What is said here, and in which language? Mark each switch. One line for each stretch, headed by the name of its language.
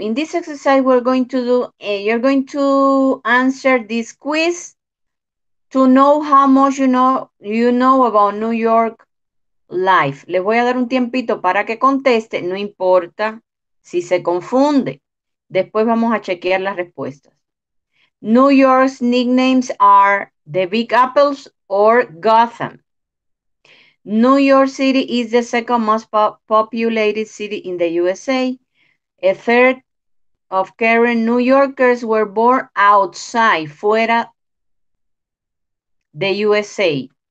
English: In this exercise, we're going to do, you're going to answer this quiz to know how much you know about New York life.
Spanish: Les voy a dar un tiempito para que conteste, no importa. Si se confunde, después vamos a chequear las respuestas.
English: New York's nicknames are the Big Apples or Gotham. New York City is the second most populated city in the USA. A third of current New Yorkers were born outside,
Spanish: fuera de USA.